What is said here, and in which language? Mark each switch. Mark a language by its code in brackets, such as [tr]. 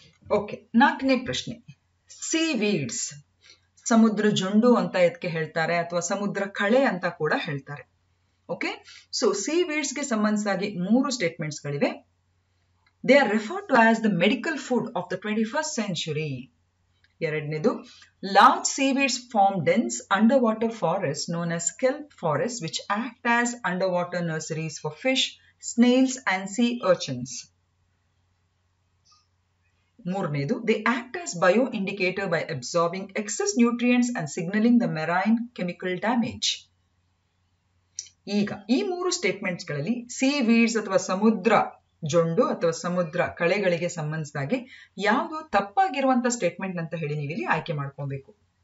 [kn] Okay, ನಾಲ್ಕನೇ ಪ್ರಶ್ನೆ, ಸೀವೀಡ್ಸ್ ಸಮುದ್ರ ಜೊಂಡು ಅಂತ ಇದಕ್ಕೆ ಹೇಳ್ತಾರೆ ಅಥವಾ ಸಮುದ್ರ ಕಳೆ ಅಂತ ಕೂಡ ಹೇಳ್ತಾರೆ. ಓಕೆ, ಸೊ ಸೀವೀಡ್ಸ್ ಗೆ ಸಂಬಂಧಿಸಿದ ಮೂರು ಸ್ಟೇಟ್ಮೆಂಟ್ಸ್ ಗಳಿವೆ. [en] They are referred to as the medical food of the 21st century. [kn] Yaradnedu, [en] large seaweeds form dense underwater forests known as kelp forests, which act as underwater nurseries for fish, snails and sea urchins. [kn] Murnedu, [en] they act as bioindicator by absorbing excess nutrients and signaling the marine chemical damage. [kn] Ega, ee mooru statements galalli seaweeds athava samudra ಜೊಂಡು ಅಥವಾ ಸಮುದ್ರ ಕಳೆಗಳಿಗೆ ಸಂಬಂಧಿಸಿದಾಗೆ ಯಾವುದು ತಪ್ಪಾಗಿರುವಂತ statement ಅಂತ ಹೇಳಿ ನೀವಿಲ್ಲಿ ಆಯ್ಕೆ ಮಾಡ್ಕೊಬೇಕು.